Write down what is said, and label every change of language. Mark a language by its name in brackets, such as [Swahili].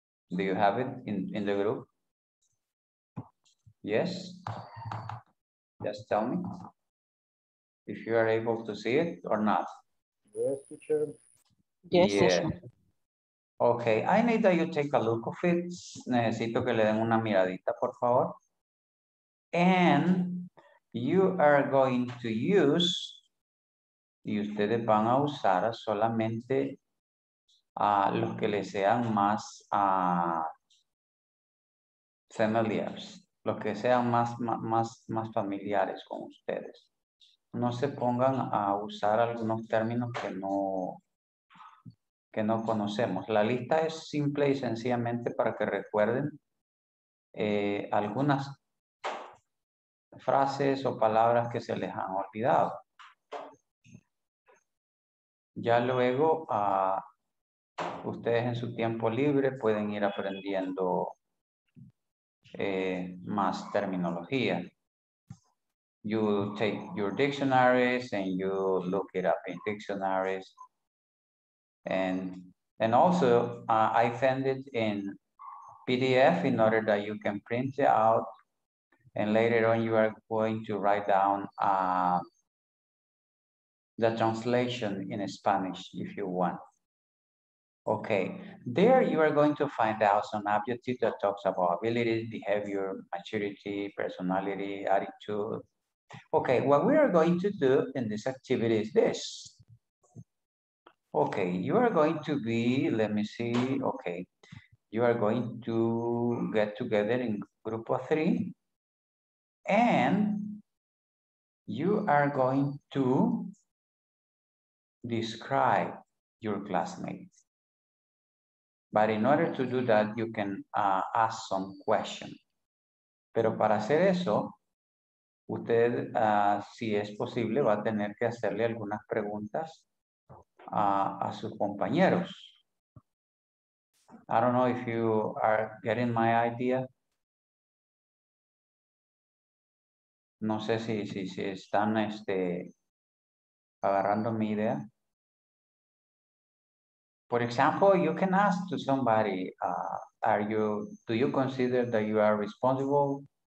[English] Do you have it in the group? Yes? Just tell me if you are able to see it or not. Yes, teacher. Yes, yeah. Teacher. Okay, I need that you take a look of it. [Spanish] Necesito que le den una miradita, por favor. [English] And you are going to use, [Spanish] y ustedes van a usar solamente los que les sean más familiares, los que sean más familiares con ustedes. No se pongan a usar algunos términos que no conocemos. La lista es simple y sencillamente para que recuerden algunas frases o palabras que se les han olvidado. Ya luego, ustedes en su tiempo libre pueden ir aprendiendo más terminología. [English] You take your dictionaries and you look it up in dictionaries. And also, I send it in PDF in order that you can print it out. And later on, you are going to write down the translation in Spanish if you want. Okay, there you are going to find out some adjectives that talks about abilities, behavior, maturity, personality, attitude. Okay, what we are going to do in this activity is this. Okay, you are going to be, let me see, okay. You are going to get together in group of three and you are going to describe your classmates. But in order to do that, you can ask some questions. [Spanish] Pero para hacer eso, usted, si es posible, va a tener que hacerle algunas preguntas a sus compañeros. [English] I don't know if you are getting my idea. [Spanish] No sé si están agarrando mi idea. [English] For example, you can ask to somebody, do you consider that you are responsible?